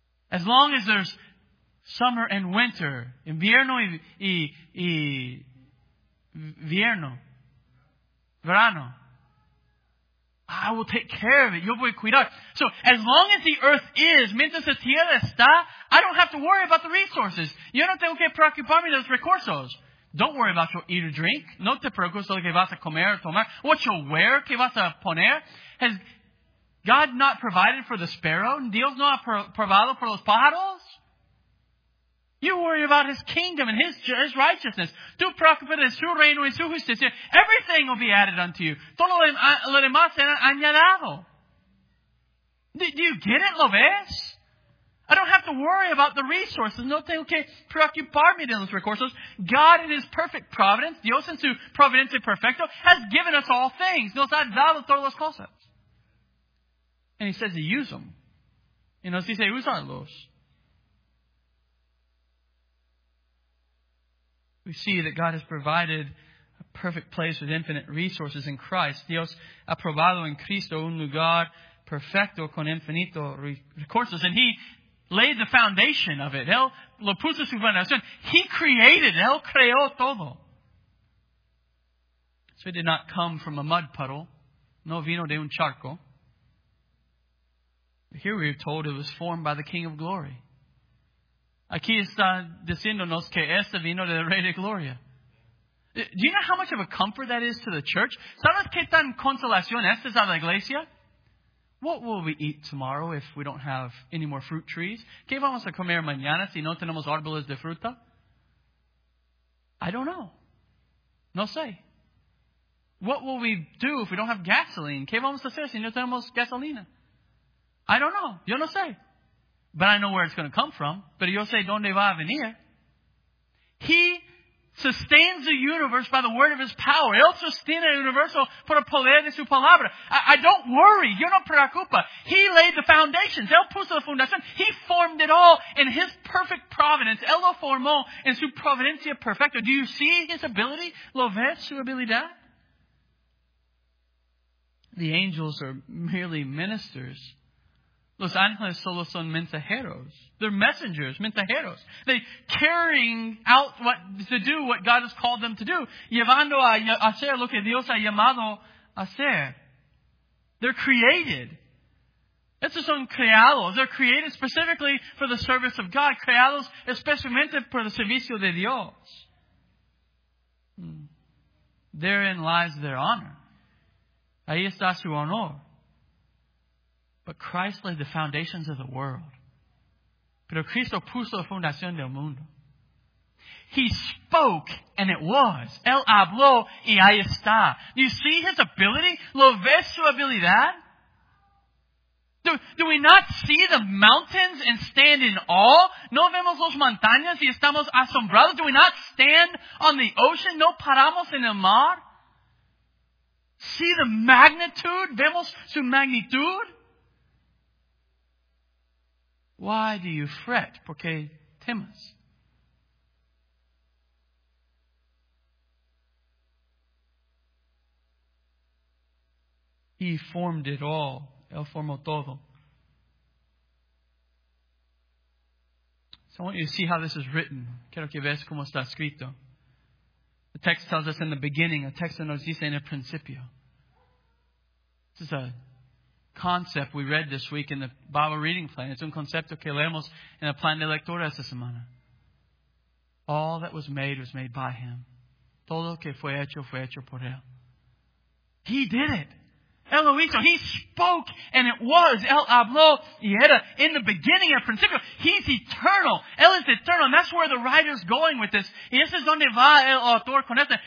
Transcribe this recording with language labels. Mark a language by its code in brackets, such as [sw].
[en] As long as there's summer and winter, [es] invierno y vierno, verano, [en] I will take care of it. [es] Yo voy a cuidar. [en] So as long as the earth is, [es] mientras la tierra está, [en] I don't have to worry about the resources. [es] Yo no tengo que preocuparme de los recursos. [en] Don't worry about your eat or drink. [es] No te preocupes lo que vas a comer o tomar. [en] What you'll wear, [es] que vas a poner. [en] Has God not provided for the sparrow? [es] Dios no ha provado por los pájaros? [en] You worry about His kingdom and His righteousness. [es] Tú preocupate de su reino y su justicia. [en] Everything will be added unto you. [es] Todo lo demás será añadido. [en] Do you get it, Loves? I don't have to to worry about the resources. [es] No tengo que preocuparme de los recursos. [en] God in His perfect providence, [es] Dios en su providencia perfecto, [en] has given us all things. [es] Nos ha dado todas las cosas. [en] And He says to use them. [es] Y nos dice, úsalos. [en] We see that God has provided a perfect place with infinite resources in Christ. [es] Dios ha probado en Cristo un lugar perfecto con infinito recursos. [en] And He laid the foundation of it. [es] Él lo puso su fundación. [en] He created it. [es] Él creó todo. [en] So it did not come from a mud puddle. [es] No vino de un charco. [en] But here we are told it was formed by the King of Glory. [es] Aquí está diciéndonos que este vino del Rey de Gloria. [en] Do you know how much of a comfort that is to the church? [es] ¿Sabes qué tan consolación esta es a la iglesia? [en] What will we eat tomorrow if we don't have any more fruit trees? [es] ¿Qué vamos a comer mañana si no tenemos árboles de fruta? [en] I don't know. [es] No sé. [en] What will we do if we don't have gasoline? [es] ¿Qué vamos a hacer si no tenemos gasolina? [en] I don't know. [es] Yo no sé. [en] But I know where it's going to come from. [es] Pero yo sé dónde va a venir. [en] He sustains the universe by the word of His power. [es] Él sostiene el universo por el poder de su palabra. [en] I don't worry. [es] Yo no preocupa. [en] He laid the foundations. [es] Él puso la fundación. [en] He formed it all in His perfect providence. [es] Él lo formó en su providencia perfecta. [en] Do you see His ability? [es] ¿Lo ves su habilidad? [en] The angels are merely ministers. [es] Los ángeles solo son mensajeros. [en] They're messengers, mensajeros. They carrying out what to do what God has called them to do. [es] Llevando a hacer lo que Dios ha llamado a hacer. [en] They're created. [es] Estos son creados. [en] They're created specifically for the service of God. [es] Creados especialmente por el servicio de Dios. [en] Therein lies their honor. [es] Ahí está su honor. [en] But Christ laid the foundations of the world. [es] Pero Cristo puso la fundación del mundo. [en] He spoke and it was. [es] Él habló y ahí está. [en] Do you see His ability? [es] ¿Lo ves su habilidad? [en] Do we not see the mountains and stand in awe? [es] ¿No vemos las montañas y estamos asombrados? [en] Do we not stand on the ocean? [es] ¿No paramos en el mar? [en] See the magnitude? [es] ¿Vemos su magnitud? [en] Why do you fret? [es] ¿Por qué temes? [en] He formed it all. [es] Él formó todo. [en] So I want you to see how this is written. [es] Quiero que veas cómo está escrito. [en] The text tells us in the beginning. The text [es] nos dice en el principio. [en] This is a concept we read this week in the Bible reading plan. It's [es] un concepto que leemos en el plan de lectura esta semana. [en] All that was made by Him. [es] Todo que fue hecho por Él. [en] He did it. [es] Él lo hizo. [en] He spoke and it was. [es] Él habló y era [en] in the beginning of principio. He's eternal. Él is eternal. And that's where the writer's going with this. [es] Y este es donde va el autor con este.